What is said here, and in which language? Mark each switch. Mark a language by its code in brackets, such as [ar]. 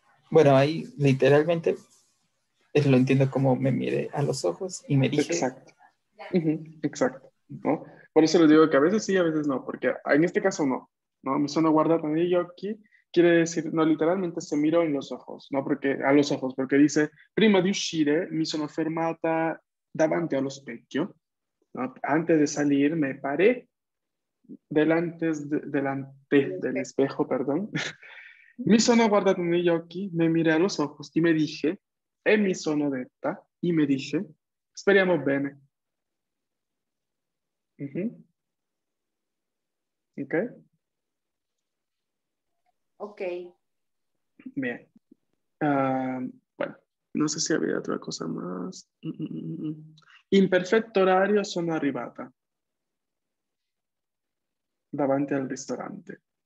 [es] Bueno, ahí literalmente lo entiendo como me miré a los ojos y me dije... Exacto. Exacto, ¿no? Por eso les digo que a veces sí, a veces no, porque en este caso no, ¿no? [it] Mi sono guardata negli occhi [es] quiere decir, no, literalmente se miró en los ojos, ¿no? Porque, a los ojos, porque dice, [it] prima di uscire, mi sono fermata davanti allo specchio, [es] ¿no? Antes de salir, me paré delante del espejo. [it] Mi sono guardato negli occhi, [es] me miré a los ojos y me dije, [it] e mi sono detta, [es] y me dije, [it] speriamo bene. [es] Uh-huh. Okay. Okay. Bien. Bueno, no sé si había otra cosa más. [it] In perfecto orario sono arrivata davanti al ristorante.